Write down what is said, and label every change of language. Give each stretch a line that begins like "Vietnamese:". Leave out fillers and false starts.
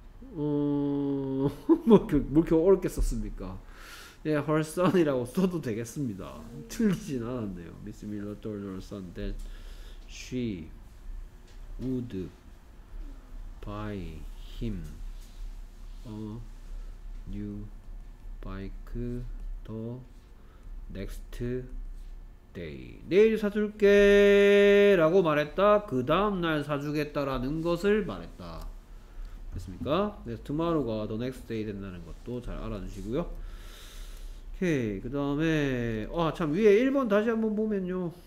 Korean: 뭐 이렇게 어렵게 썼습니까? 예, her son이라고 써도 되겠습니다. 틀리진 않았네요.
English: Miss Miller told her son that she would buy him a new bike the next day.
Korean: 내일 사줄게 라고 말했다. 그 다음날 사주겠다라는 것을 말했다. 됐습니까? 그래서 tomorrow가 the next day 된다는 것도 잘 알아주시고요. 오케이. 그 다음에 아 참 위에 1번 다시 한번 보면요.